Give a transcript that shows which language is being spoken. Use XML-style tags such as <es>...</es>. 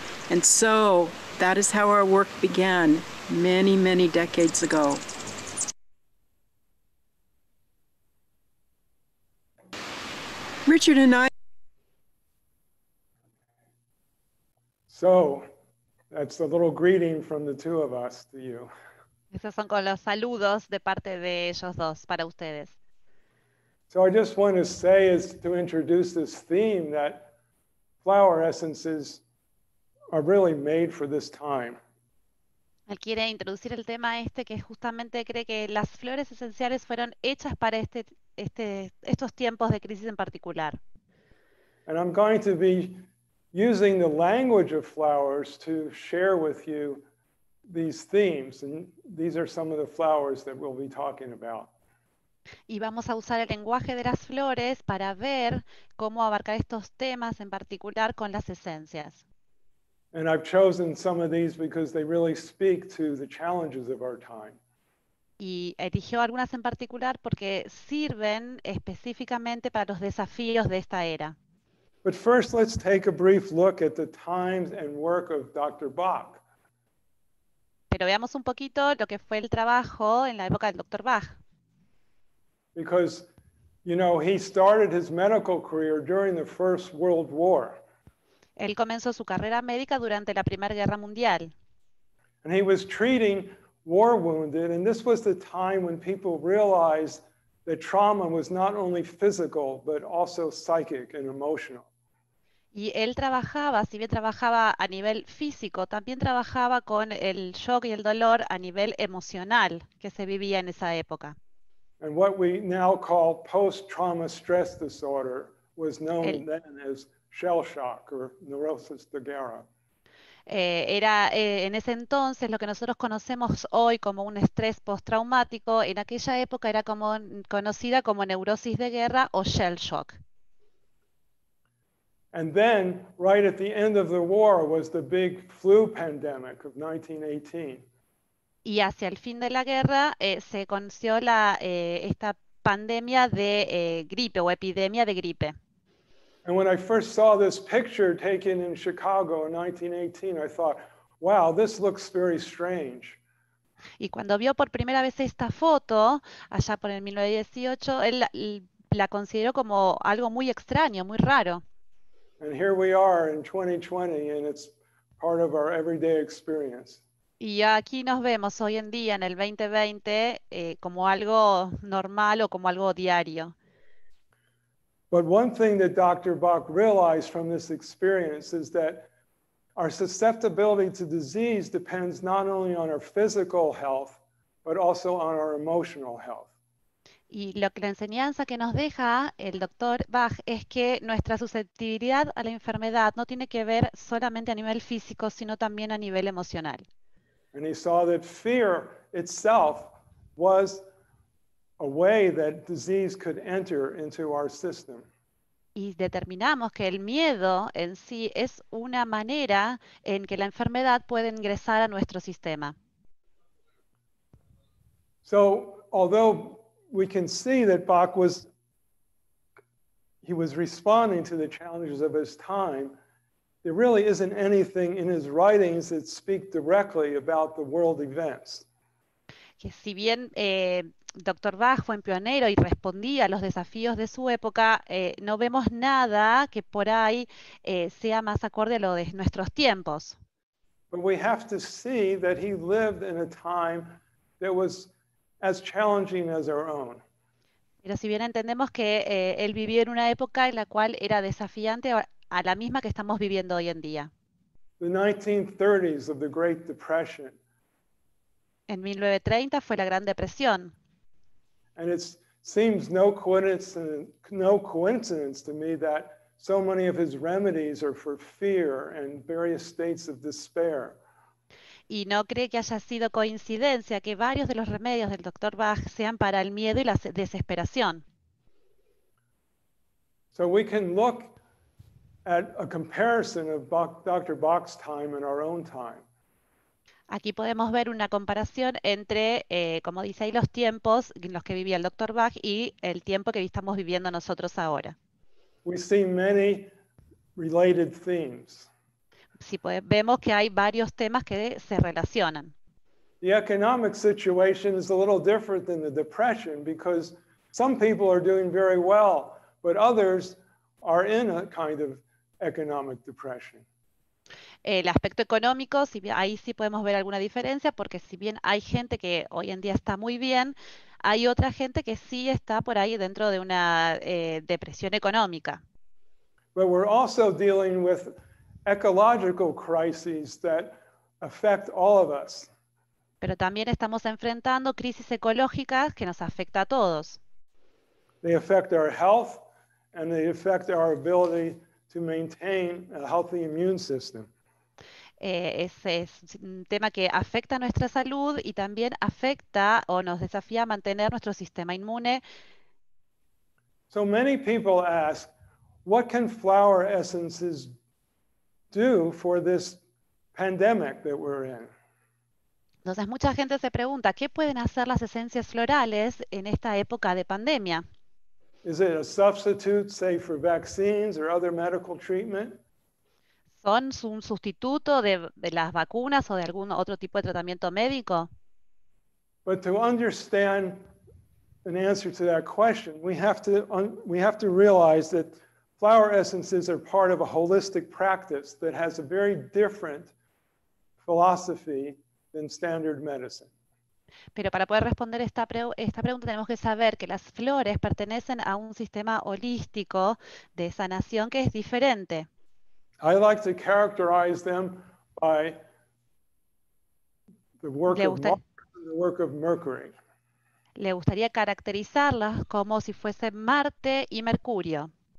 <en>And so, that is how our work began many, many decades ago. Richard and I. So, that's a little greeting from the two of us to you.</en> <es>Esos son con los saludos de parte de ellos dos para ustedes.</es> <en>So I just want to say is to introduce this theme that flower essences are really made for this time.</en> <es>Él quiere introducir el tema este que justamente cree que las flores esenciales fueron hechas para estos tiempos de crisis en particular.</es> <en>And I'm going to be using the language of flowers to share with you these themes, and these are some of the flowers that we'll be talking about.</en> <es>Y vamos a usar el lenguaje de las flores para ver cómo abarcar estos temas en particular con las esencias.</es> <en>And I've chosen some of these because they really speak to the challenges of our time.</en> <es>Y eligió algunas en particular porque sirven específicamente para los desafíos de esta era.</es> <en>But first, let's take a brief look at the times and work of Dr. Bach.</en> <es>Pero veamos un poquito lo que fue el trabajo en la época del Dr. Bach.</es> <en>Because, you know, he started his medical career during the First World War.</en> <es>Él comenzó su carrera médica durante la Primera Guerra Mundial.</es> <en>And he was treating war wounded, and this was the time when people realized that trauma was not only physical, but also psychic and emotional.</en> <es>Y él trabajaba, si bien trabajaba a nivel físico, también trabajaba con el shock y el dolor a nivel emocional que se vivía en esa época.</es> <en>And what we now call post-trauma stress disorder was known then as shell shock or</en> <es>neurosis de guerra. En ese entonces lo que nosotros conocemos hoy como un estrés postraumático, en aquella época era conocida como neurosis de guerra o shell shock.</es> <en>And then right at the end of the war was the big flu pandemic of 1918.</en> <es>Y hacia el fin de la guerra se conoció esta pandemia de gripe o epidemia de gripe.</es> <en>And when I first saw this picture taken in Chicago in 1918, I thought, wow, this looks very strange.</en> <es>Y cuando vio por primera vez esta foto, allá por el 1918, él la consideró como algo muy extraño, muy raro.</es> <en>And here we are in 2020, and it's part of our everyday experience.</en> <es>Y aquí nos vemos hoy en día, en el 2020, como algo normal o como algo diario.</es> <en>But one thing that Dr. Bach realized from this experience is that our susceptibility to disease depends not only on our physical health, but also on our emotional health.</en> <es>Y lo que la enseñanza que nos deja el Dr. Bach es que nuestra susceptibilidad a la enfermedad no tiene que ver solamente a nivel físico, sino también a nivel emocional.</es> <en>And he saw that fear itself was a way that disease could enter into our system.</en> <es>Y determinamos que el miedo en sí es una manera en que la enfermedad puede ingresar a nuestro sistema.</es> <en>So, although we can see that Bach was, he was responding to the challenges of his time, there really isn't anything in his writings that speak directly about the world events.</en> <es>Que si bien Dr. Bach fue un pionero y respondía a los desafíos de su época, no vemos nada que por ahí sea más acorde a lo de nuestros tiempos.</es> <en>But we have to see that he lived in a time that was as challenging as our own.</en> <es>Pero si bien entendemos que él vivió en una época en la cual era desafiante a la misma que estamos viviendo hoy en día.</es> <en>The 1930s of the Great Depression.</en> <es>En 1930 fue la Gran Depresión.</es> <en>And it seems no coincidence to me that so many of his remedies are for fear and various states of despair.</en> <es>Y no cree que haya sido coincidencia que varios de los remedios del Dr. Bach sean para el miedo y la desesperación.</es> <en>So we can look at a comparison of Dr. Bach's time and our own time.</en> <es>Aquí podemos ver una comparación entre, como dice ahí, los tiempos en los que vivía el Dr. Bach y el tiempo que estamos viviendo nosotros ahora.</es> <en>We see many related themes.</en> <es>Si podemos, vemos que hay varios temas que se relacionan.</es> <en>The economic situation is a little different than the depression because some people are doing very well, but others are in a kind of economic depression.</en> <es>El aspecto económico, si bien, ahí sí podemos ver alguna diferencia, porque si bien hay gente que hoy en día está muy bien, hay otra gente que sí está por ahí dentro de una depresión económica.</es> <en>But we're also dealing with ecological crises that affect all of us.</en> <es>Pero también estamos enfrentando crisis ecológicas que nos afecta a todos.</es> <en>They affect our health and they affect our ability to maintain a healthy immune system.</en> <es>Ese es un tema que afecta a nuestra salud y también afecta o nos desafía a mantener nuestro sistema inmune.</es> <en>So many people ask, what can flower essences do for this pandemic that we're in?</en> <es>Entonces mucha gente se pregunta, ¿qué pueden hacer las esencias florales en esta época de pandemia?</es> <en>Is it a substitute, say, for vaccines or other medical treatment?</en> <es>¿Son un sustituto de las vacunas o de algún otro tipo de tratamiento médico?</es> <en>But to understand an answer to that question, we have to realize that flower essences are part of a holistic practice that has a very different philosophy than standard medicine.</en> <es>Pero para poder responder esta pregunta tenemos que saber que las flores pertenecen a un sistema holístico de sanación que es diferente.</es> <en>I like to characterize them by the work of Mercury.</en> <es>Le gustaría caracterizarlas como si fuese Marte y Mercurio.</es>